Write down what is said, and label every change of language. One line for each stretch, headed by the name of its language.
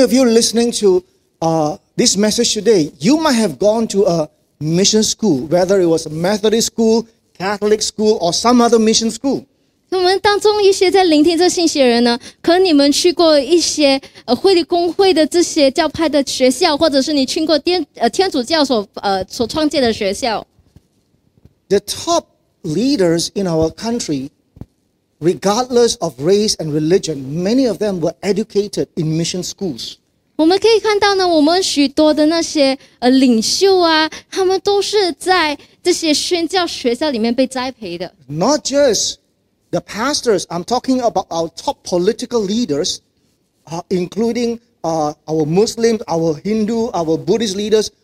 English: of you listening to this message today, you might have gone to a mission school, whether it was a Methodist school, Catholic school or some other mission school.
Chinese: 我们当中一些在聆听这信息的人呢，可能你们去过一些会的公会的这些教派的学校，或者是你去过天主教所创建的学校。
English: The top leaders in our country, regardless of race and religion, many of them were educated in mission schools.
Chinese: 我们可以看到呢，我们许多的那些领袖啊，他们都是在
English: Not just the pastors, I'm talking about our top political leaders, including our Muslim, our Hindu, our Buddhist leaders.